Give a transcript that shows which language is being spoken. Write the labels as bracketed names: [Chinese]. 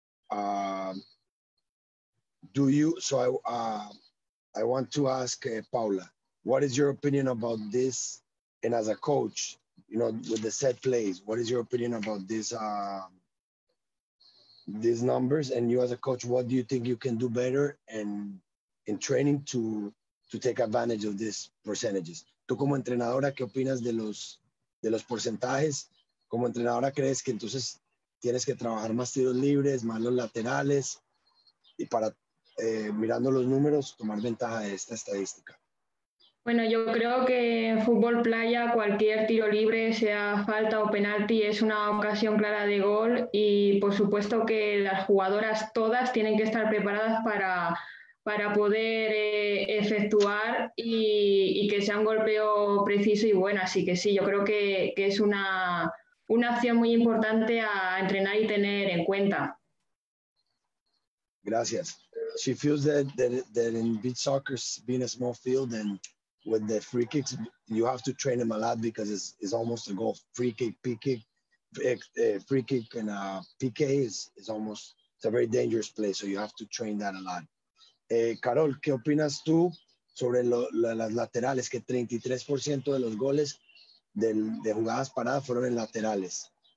[English] I want to ask Paula, what is your opinion about this? And as a coach, you know, with the set plays, what is your opinion about these numbers? And you as a coach, what do you think you can do better and in training to take advantage of these percentages? [Spanish] Tú como entrenadora, ¿qué opinas de los porcentajes? Como entrenadora, ¿crees que entonces tienes que trabajar más tiros libres, más los laterales? Y para mirando los números, tomar ventaja de esta estadística. Bueno, yo creo que en fútbol playa cualquier tiro libre, sea falta o penalti, es una ocasión clara de gol y por supuesto que las jugadoras todas tienen que estar preparadas para poder efectuar y que sea un golpeo preciso y bueno. Así que sí, yo creo que es una acción muy importante a entrenar y tener en cuenta. Gracias. [English] She feels that in beach soccer, being a small field and with the free kicks, you have to train them a lot because it's almost a goal. Free kick, PK, free kick and PK is almost, it's a very dangerous play, so you have to train that a lot. [Spanish] Carol, ¿qué opinas tú sobre las laterales? Que 33% de los goles de jugadas paradas fueron en laterales.